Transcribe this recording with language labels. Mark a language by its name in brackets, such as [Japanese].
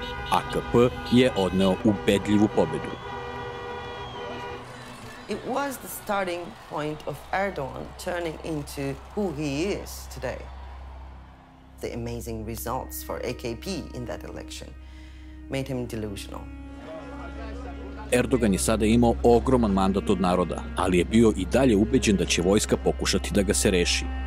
[Serbian] AKP je odneo ubedljivu pobedu. [English] It was the starting point of Erdogan turning into who he is today. The amazing results for AKP in that election made him delusional. [Serbian] Erdoğan je sada imao ogroman mandat od naroda, ali je bio i dalje ubeđen da će vojska pokušati da ga se reši.